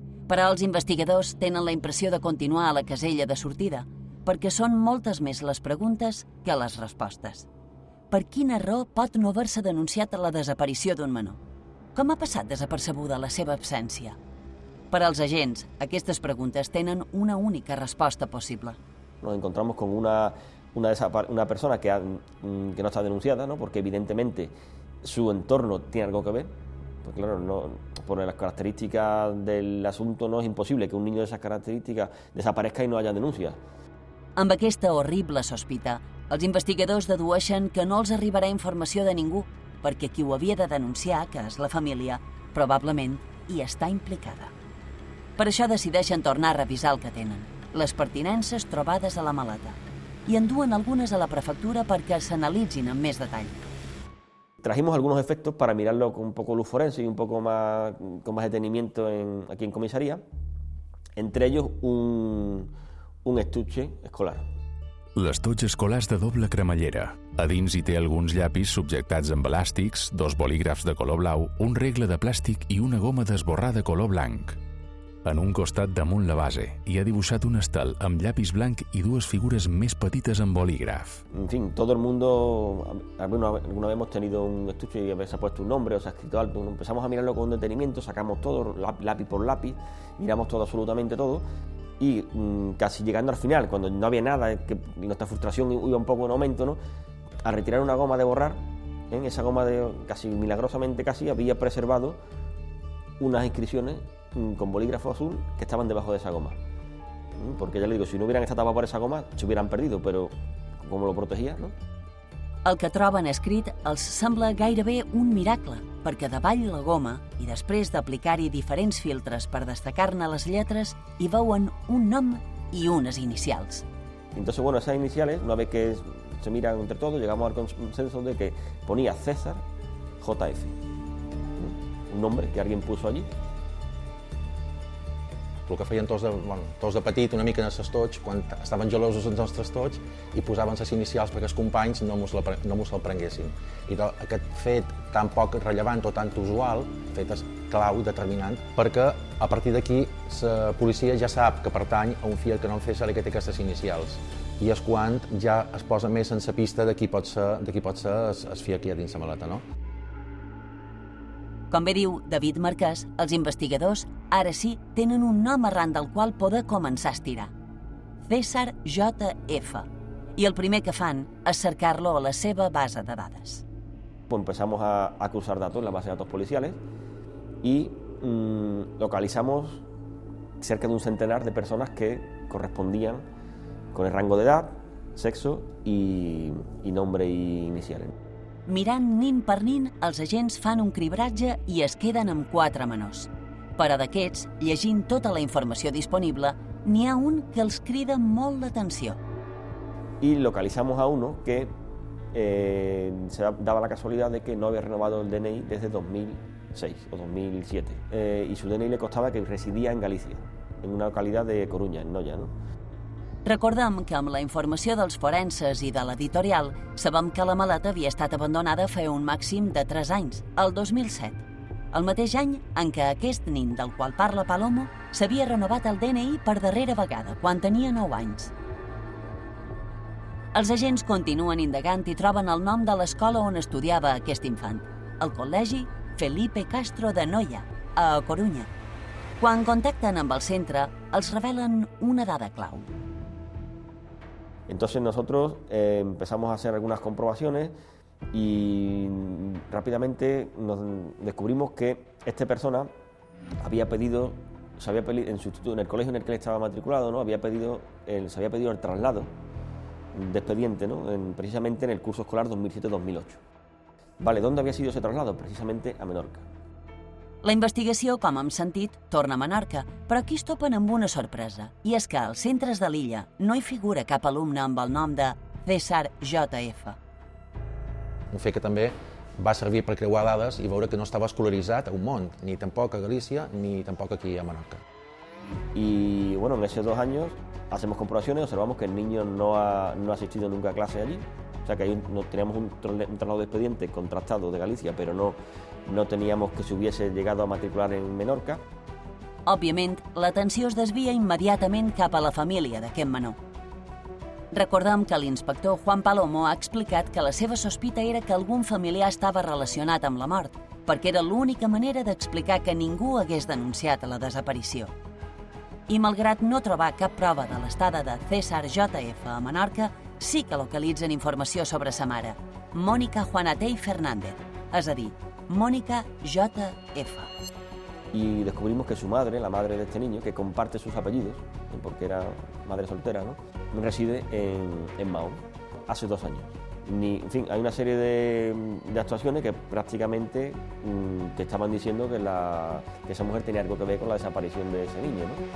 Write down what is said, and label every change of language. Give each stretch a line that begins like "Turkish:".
Catalan: Però els investigadors tenen la impressió de continuar a la casella de sortida, perquè són moltes més les preguntes que les respostes. Per quina raó pot no haver-se denunciat la desaparició d'un menor? Com ha passat desapercebuda la seva absència? Per als agents, aquestes preguntes tenen una única resposta possible.
Spanish: Nos encontramos con una persona que no está denunciada, ¿no? Porque evidentemente su entorno tiene algo que ver. Pues claro, no, por las características del asunto no es imposible que un niño de esas características desaparezca y no haya denuncia.
Catalan: Amb aquesta horrible sospita, els investigadors dedueixen que no els arribarà informació de ningú, perquè qui ho havia de denunciar, que és la família, probablement hi està implicada. Per això decideixen tornar a revisar el que tenen, les pertinences trobades a la maleta, i enduen algunes a la prefectura perquè s'analitzin amb més detall.
Spanish: Trajimos algunos efectos para mirarlo con un poco luz forense y un poco más, con más detenimiento aquí en comisaría. Entre ellos, un estuche escolar.
Catalan: L'estuig escolar és de doble cremallera. A dins hi té alguns llapis subjectats amb elàstics, dos bolígrafs de color blau, un regle de plàstic i una goma d'esborrar de color blanc. En un costat damunt la base hi ha dibuixat un estel amb llapis blanc i dues figures més petites amb bolígraf.
Spanish: En fin, todo el mundo, alguna vez hemos tenido un estuche y se ha puesto un nombre o se ha escrito algo. Empezamos a mirarlo con detenimiento, sacamos todo, lápiz por lápiz, miramos todo, absolutamente todo. Y casi llegando al final, cuando no había nada, que nuestra frustración iba un poco en aumento, ¿no? Al retirar una goma de borrar, ¿eh? Esa goma de casi milagrosamente casi había preservado unas inscripciones con bolígrafo azul que estaban debajo de esa goma. Porque ya le digo, si no hubieran estado tapadas por esa goma, se hubieran perdido, pero ¿cómo lo protegía, no?
Catalan: El que troben escrit els sembla gairebé un miracle, perquè davall la goma i després d'aplicar-hi diferents filtres per destacar-ne les lletres, hi veuen un nom i unes inicials.
Spanish: Entonces, bueno, esas iniciales, una vez que se miran entre todos, llegamos al consenso de que ponía César JF. Un nombre que alguien puso allí.
Catalan: El que feien tots de, bueno, tots de petit, una mica en els estoig, quan estaven gelosos els nostres estoig, i posaven les inicials perquè els companys no mos el prenguessin. I aquest fet tan poc rellevant o tan usual, fet és clau i determinant, perquè a partir d'aquí la policia ja sap que pertany a un fiat que no en fes el que té aquestes inicials. I és quan ja es posa més en la pista de qui pot ser el fiat que hi ha dins la maleta, no? Com bé diu David Marquès, els investigadors ara sí tenen un nom arran del qual poder començar a estirar. César JF. I el primer que fan és cercar-lo a la seva base de dades.
Spanish: Pues empezamos a cruzar datos en la base de datos policiales y localizamos cerca de un centenar de personas que correspondían con el rango de edad, sexo y nombre y iniciales.
Catalan: Mirant nin per nin, els agents fan un cribratge i es queden amb 4 menors. Però d'aquests, llegint tota la informació disponible, n'hi ha un que els crida molt l'atenció.
Spanish: Y localizamos a uno que se daba la casualidad de que no había renovado el DNI desde 2006 o 2007. Y su DNI le costaba que residía en Galicia, en una localidad de Coruña, en Noia, ¿no?
Catalan: Recordem que amb la informació dels forenses i de l'editorial sabem que la maleta havia estat abandonada fa un màxim de 3 anys, el 2007, el mateix any en què aquest nin del qual parla Palomo s'havia renovat el DNI per darrera vegada, quan tenia 9 anys. Els agents continuen indagant i troben el nom de l'escola on estudiava aquest infant, el Col·legi Felipe Castro de Noia, a Coruña. Quan contacten amb el centre, els revelen una dada clau.
Spanish: Entonces nosotros empezamos a hacer algunas comprobaciones y rápidamente nos descubrimos que esta persona había pedido, se había pedido en su instituto, en el colegio en el que él estaba matriculado, ¿no? Se había pedido el traslado de expediente, ¿no? Precisamente en el curso escolar 2007-2008. Vale, ¿dónde había sido ese traslado? Precisamente a Menorca.
Catalan: La investigació, com hem sentit, torna a Menorca, però aquí es topen amb una sorpresa, i és que als centres de l'illa no hi figura cap alumne amb el nom de César J.F. Un fet que també va servir per creuar dades i veure que no estava escolaritzat a un munt, ni tampoc a Galícia, ni tampoc aquí a Menorca.
Spanish: Y bueno, en esos dos años hacemos comprobaciones y observamos que el niño no ha asistido nunca a clase allí. O sea que ahí no teníamos un traslado de expediente contrastado de Galicia, pero no teníamos que se hubiese llegado a matricular en Menorca.
Catalan: Òbviament, l'atenció es desvia immediatament cap a la família d'aquest menor. Recordem que l'inspector Juan Palomo ha explicat que la seva sospita era que algun familiar estava relacionat amb la mort, perquè era l'única manera d'explicar que ningú hagués denunciat la desaparició. I malgrat no trobar cap prova de l'estada de César J.F. a Menorca, sí que localitzen informació sobre sa mare, Mònica Juanatey Fernández, és a dir, Mònica J.F.
Spanish: Y descubrimos que su madre, la madre de este niño, que comparte sus apellidos, porque era madre soltera, ¿no?, reside en Mahón hace dos años. En fin, hay una serie de actuaciones que prácticamente te estaban diciendo que esa mujer tenía algo que ver con la desaparición de ese niño, ¿no?